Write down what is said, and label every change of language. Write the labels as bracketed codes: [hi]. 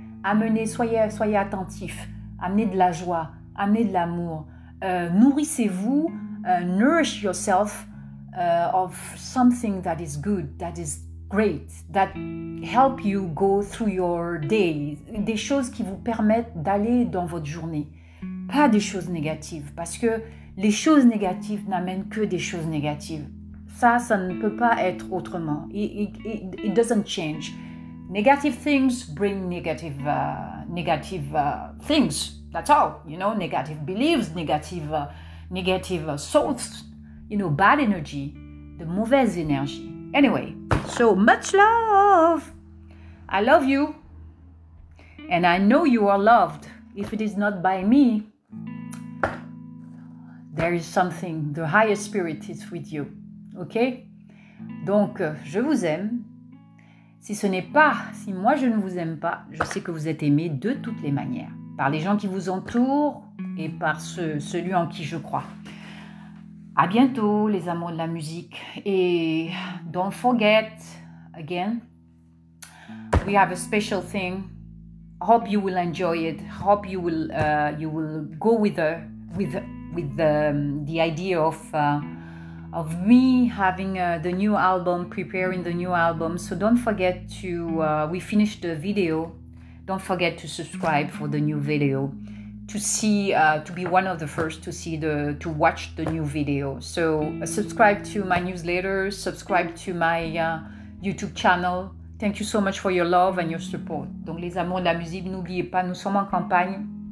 [fr] Soyez attentif. Amenez de la joie. Amenez de l'amour. Nourrissez-vous. [en] Nourish yourself. Of something that is good, that is great, that help you go through your day. [fr] Des choses qui vous permettent d'aller dans votre journée. Pas des choses négatives, parce que les choses négatives n'amènent que des choses négatives. Ça ne peut pas être autrement. [en] It doesn't change. Negative things bring negative things. That's all, you know, negative beliefs, negative thoughts. You know, bad energy, the [fr] mauvaise énergie. [en] Anyway, so much love. I love you. And I know you are loved. If it is not by me, there is something, the higher spirit is with you. [fr] OK? Donc, je vous aime. Si ce n'est pas, si moi je ne vous aime pas, je sais que vous êtes aimé de toutes les manières. Par les gens qui vous entourent et par celui en qui je crois. À bientôt, les amours de la musique. [en] Et don't forget, again, we have a special thing. Hope you will enjoy it. Hope you will go with the idea of me having the new album, preparing the new album. So don't forget to, we finished the video. Don't forget to subscribe for the new video. To see, to be one of the first to see to watch the new video. So subscribe to my newsletter, subscribe to my YouTube channel. Thank you so much for your love and your support. [fr] Donc les amours de la musique, n'oubliez pas, nous sommes en campagne.